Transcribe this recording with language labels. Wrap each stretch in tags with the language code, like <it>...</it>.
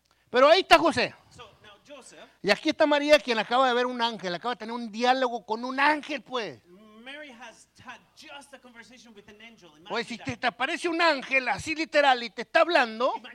<es>Pero ahí está José. Y aquí está María, quien acaba de ver un ángel, acaba de tener un diálogo con un ángel, pues.</es> <en>Mary has had just a conversation with an angel.</en> <es>Pues si te aparece un ángel así literal y te está hablando,</es>